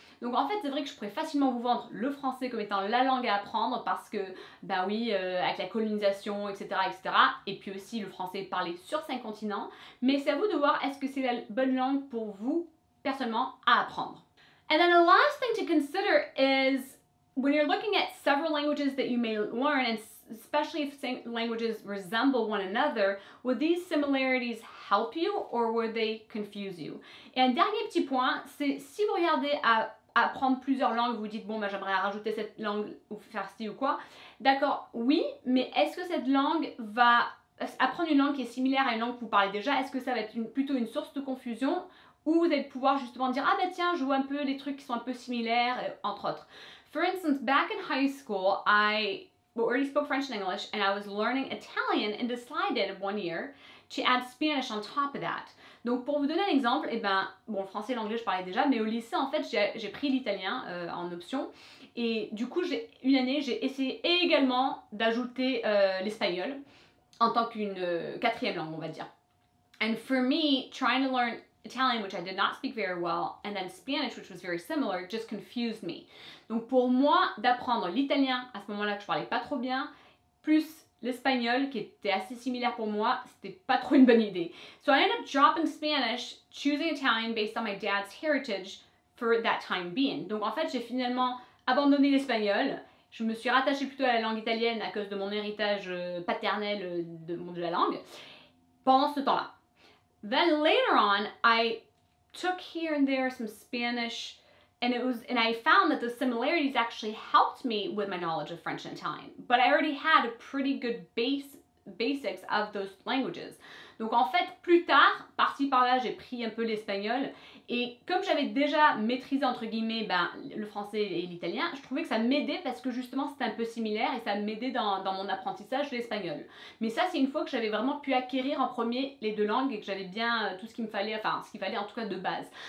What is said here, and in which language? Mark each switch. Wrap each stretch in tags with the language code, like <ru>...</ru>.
<fr>Donc en fait, c'est vrai que je pourrais facilement vous vendre le français comme étant la langue à apprendre parce que, ben oui, avec la colonisation, etc., etc. Et puis aussi, le français est parlé sur 5 continents. Mais c'est à vous de voir est-ce que c'est la bonne langue pour vous, personnellement, à apprendre.</fr> <en>And then the last thing to consider is when you're looking at several languages that you may learn, and especially if languages resemble one another, would these similarities help you or would they confuse you?</en> <fr>Et un dernier petit point, c'est si vous regardez à apprendre plusieurs langues, vous dites bon ben j'aimerais rajouter cette langue ou faire ci ou quoi, d'accord, oui, mais est-ce que cette langue va, apprendre une langue qui est similaire à une langue que vous parlez déjà, est-ce que ça va être plutôt une source de confusion ou vous allez pouvoir justement dire ah ben tiens, je vois un peu des trucs qui sont un peu similaires, entre autres.</fr> <en>For instance, back in high school, I already spoke French and English, and I was learning Italian and decided one year to add Spanish on top of that.</en> <fr>Donc pour vous donner un exemple, eh ben, bon, le français et l'anglais je parlais déjà, mais au lycée en fait j'ai pris l'italien en option. Et du coup, une année, j'ai essayé également d'ajouter l'espagnol en tant qu'une quatrième langue, on va dire.</fr> <en>And for me, trying to learn Italian, which I did not speak very well, and then Spanish, which was very similar, just confused me.</en> <fr>Donc pour moi, d'apprendre l'italien à ce moment-là que je parlais pas trop bien, plus l'espagnol qui était assez similaire pour moi, c'était pas trop une bonne idée.</fr> <en>So I ended up dropping Spanish, choosing Italian based on my dad's heritage for that time being.</en> <fr>Donc en fait, j'ai finalement abandonné l'espagnol. Je me suis rattachée plutôt à la langue italienne à cause de mon héritage paternel de la langue pendant ce temps-là.</fr> <en>Then later on, I took here and there some Spanish, and I found that the similarities actually helped me with my knowledge of French and Italian. But I already had a pretty good basics of those languages.</en> <fr>Donc en fait, plus tard, par-ci par-là, j'ai pris un peu l'espagnol, et comme j'avais déjà maîtrisé entre guillemets ben, le français et l'italien, je trouvais que ça m'aidait parce que justement c'était un peu similaire et ça m'aidait dans mon apprentissage de l'espagnol. Mais ça c'est une fois que j'avais vraiment pu acquérir en premier les deux langues et que j'avais bien tout ce qu'il me fallait, enfin ce qu'il fallait en tout cas de base.</fr>